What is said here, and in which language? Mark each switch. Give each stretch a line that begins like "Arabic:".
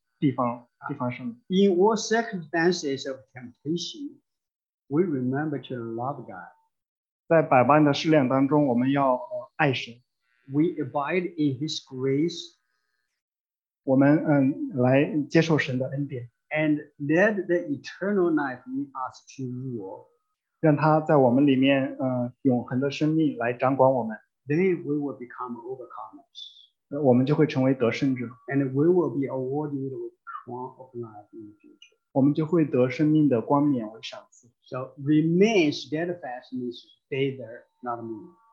English: In all circumstances of temptation, we remember to love God.
Chinese: 在百般的试炼当中,
English: we abide in His grace.
Chinese: 我们, 来接受神的恩典,
English: and let the eternal life in us to rule.
Chinese: 让他在我们里面, 永恒的生命来掌管我们,
English: then we will become overcomers.
Chinese: 我们就会成为得胜者,
English: and we will be awarded with one of life in the future. So remain steadfast means stay there, not move.